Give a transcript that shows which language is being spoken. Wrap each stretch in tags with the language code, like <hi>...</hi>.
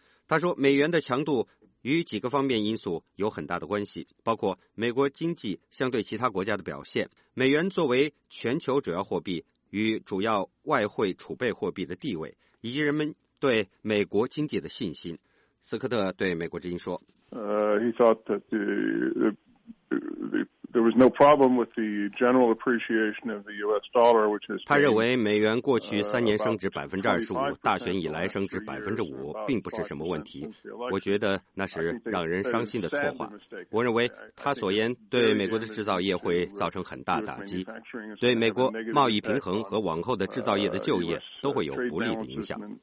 <zh>他说，美元的强度与几个方面因素有很大的关系，包括美国经济相对其他国家的表现，美元作为全球主要货币与主要外汇储备货币的地位，以及人们对美国经济的信心。斯科特对美国之音说</zh> <en>He thought that there was no problem with the general appreciation of the US dollar, which is</en> <zh>他认为美元过去三年升值25%，大选以来升值5%，并不是什么问题。我觉得那是让人伤心的错话。我认为他所言对美国的制造业会造成很大打击，对美国贸易平衡和往后的制造业的就业都会有不利的影响。</zh>